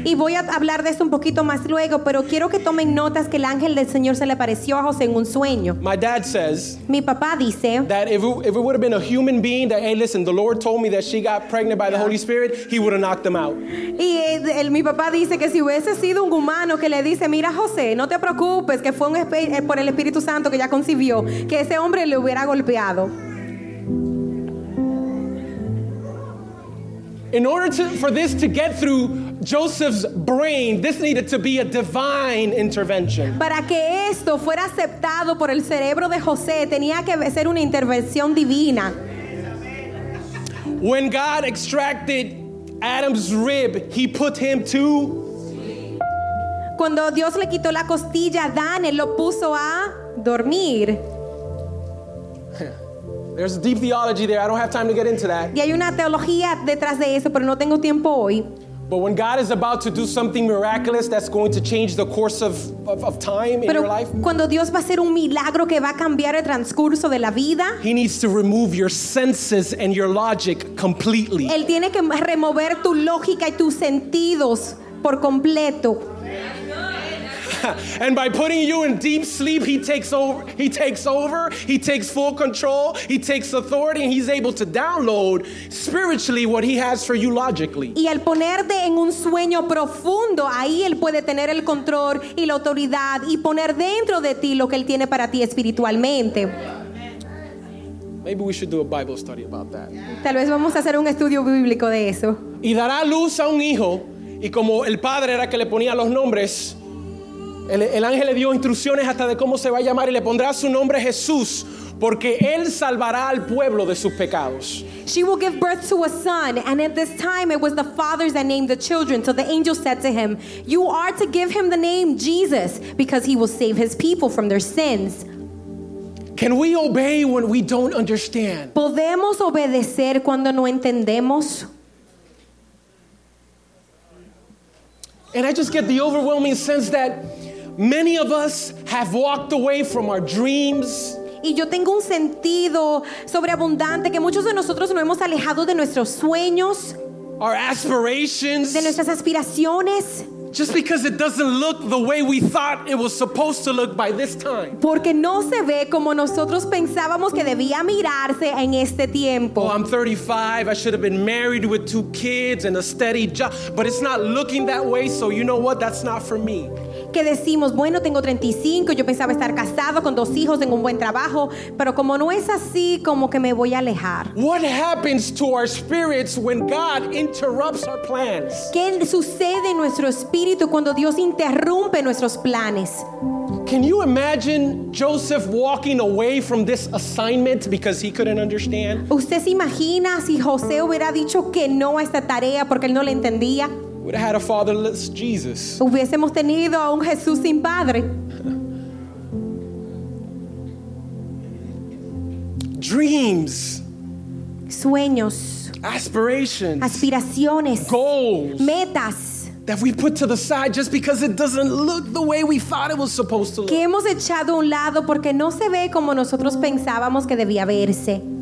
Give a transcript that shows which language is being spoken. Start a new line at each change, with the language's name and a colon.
Spanish: Y voy a hablar de esto un poquito más luego, pero quiero que tomen notas que el ángel del Señor se le apareció a José en un sueño.
English: My dad says.
Spanish: Mi papá dice.
English: That if it would have been a human being, that hey, listen, the Lord told me that she got pregnant by the Holy Spirit, he would have knocked them out.
Spanish: Y mi papá dice que si hubiese sido un humano que le dice, mira, José, no te preocupes, que fue por el Espíritu Santo que ya concibió, que ese hombre le hubiera golpeado.
English: In order for this to get through Joseph's brain, this needed to be a divine intervention.
Spanish: Para que esto fuera aceptado por el cerebro de José, tenía que ser una intervención divina.
English: When God extracted Adam's rib, he put him to.
Spanish: Cuando Dios le quitó la costilla a Adán, él lo puso a dormir.
English: There's a deep theology there. I don't have time to get into that.
Spanish: Y hay una teología detrás de eso, pero no tengo tiempo hoy.
English: But when God is about to do something miraculous that's going to change the course of time
Spanish: pero
English: in your life,
Spanish: cuando Dios va a hacer un milagro que va a cambiar el transcurso de la vida,
English: he needs to remove your senses and your logic completely.
Spanish: Él tiene que remover tu lógica y tus sentidos por completo.
English: And by putting you in deep sleep, he takes over, he takes full control, he takes authority, and he's able to download spiritually what he has for you logically.
Spanish: Y al ponerte en un sueño profundo, ahí él puede tener el control y la autoridad y poner dentro de ti lo que él tiene para ti espiritualmente.
English: Maybe we should do a Bible study about that.
Spanish: Tal vez vamos a hacer un estudio bíblico de eso. Y dará luz a un hijo, y como el padre era que le ponía los nombres, el ángel le dio instrucciones hasta de cómo se va a llamar, y le pondrá su nombre Jesús, porque él salvará al pueblo de sus pecados.
English: She will give birth to a son, and at this time it was the fathers that named the children. So the angel said to him, "You are to give him the name Jesus, because he will save his people from their sins." Can we obey when we don't understand?
Spanish: ¿Podemos obedecer cuando no entendemos?
English: And I just get the overwhelming sense that many of us have walked away from our dreams.
Spanish: Y yo tengo un sentido sobreabundante que muchos de nosotros nos hemos alejado de nuestros sueños,
English: our aspirations,
Spanish: de nuestras aspiraciones,
English: just because it doesn't look the way we thought it was supposed to look by this time.
Spanish: Porque no se ve como nosotros pensábamos que debía mirarse en este tiempo.
English: Oh, I'm 35. I should have been married with two kids and a steady job, but it's not looking that way, so you know what? That's not for me.
Spanish: Que decimos, bueno, tengo 35, yo pensaba estar casado con dos hijos, tengo un buen trabajo, pero como no es así, como que me voy a alejar.
English: What happens to our spirits when God interrupts our plans?
Spanish: ¿Qué sucede en nuestro espíritu cuando Dios interrumpe nuestros planes?
English: Can you imagine Joseph walking away from this assignment because he couldn't understand?
Spanish: ¿Usted se imagina si José hubiera dicho que no a esta tarea porque él no la entendía?
English: We'd have had a fatherless Jesus.
Spanish: Hubiésemos tenido a un Jesús sin padre.
English: Dreams.
Spanish: Sueños.
English: Aspirations.
Spanish: Aspiraciones.
English: Goals.
Spanish: Metas.
English: That we put to the side just because it doesn't look the way we thought it was supposed to look.
Spanish: Que hemos echado a un lado porque no se ve como nosotros pensábamos que debía verse.